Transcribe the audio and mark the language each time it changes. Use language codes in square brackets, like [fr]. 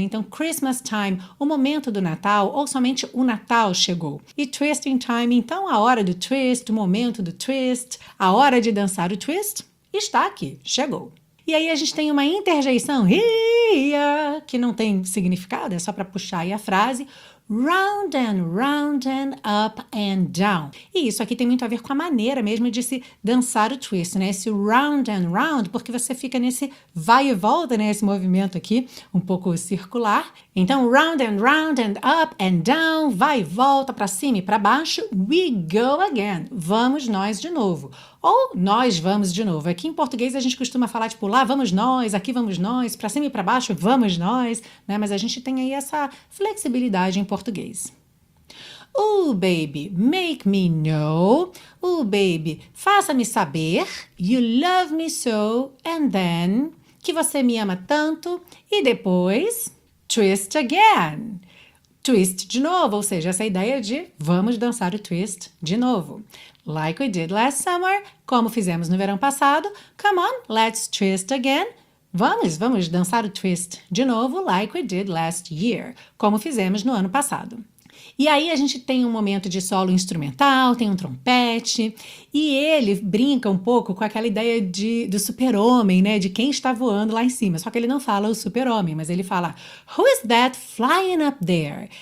[pt] Então, [en] Christmas time, [pt] o momento do Natal, ou somente o Natal chegou. E [en] twisting time, [pt] então, a hora do twist, o momento do twist, a hora de dançar o twist está aqui, chegou. E aí a gente tem uma interjeição, here, que não tem significado, é só para puxar aí a frase. [en] Round and round and up and down. [pt] E isso aqui tem muito a ver com a maneira mesmo de se dançar o twist, né? Esse [en] round and round, [pt] porque você fica nesse vai e volta, né? Esse movimento aqui, um pouco circular. Então, [en] round and up and down, [pt] vai e volta, para cima e para baixo. [en] We go again. [pt] Vamos nós de novo. Ou nós vamos de novo. Aqui em português a gente costuma falar tipo lá vamos nós, aqui vamos nós, para cima e para baixo vamos nós, né? Mas a gente tem aí essa flexibilidade em português. [en] Oh baby, make me know. Oh baby, [pt] faça-me saber. [en] You love me so and then. [pt] Que você me ama tanto. E depois, [en] twist again. [pt] Twist de novo, ou seja, essa ideia de vamos dançar o twist de novo. [en] Like we did last summer, [pt] como fizemos no verão passado. [en] Come on, let's twist again. [pt] Vamos dançar o twist de novo, [en] like we did last year, [pt] como fizemos no ano passado. E aí a gente tem um momento de solo instrumental, tem um trompete, e ele brinca um pouco com aquela ideia do super-homem, né? De quem está voando lá em cima. Só que ele não fala o super-homem, mas ele fala: [en] Who is that flying up there?